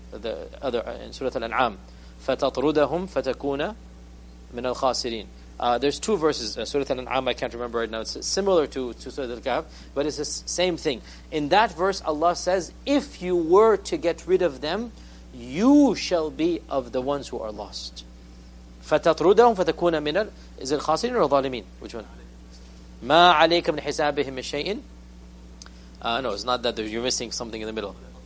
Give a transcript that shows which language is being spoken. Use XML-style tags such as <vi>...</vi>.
<en>The other, in Surah Al-An'am,</en> <ar>فَتَطْرُدَهُمْ فَتَكُونَ مِنَ الْخَاسِرِينَ.</ar> <en>There's two verses, Surah Al-An'am, I can't remember right now. It's similar to Surah Al-Kahf, but it's the same thing. In that verse, Allah says, if you were to get rid of them, you shall be of the ones who are lost.</en> <ar>فَتَطْرُدَهُمْ فَتَكُونَ مِنَ الْخَاسِرِينَ.</ar> <en>Is it</en> <ar>الخاسرين or الظالمين?</ar> <en>Which one?</en> <ar>مَا عَلَيْكَ مِنْ حِسَابِهِمْ شَيْءٍ.</ar> <en>No, it's not that you're missing something in the middle.</en>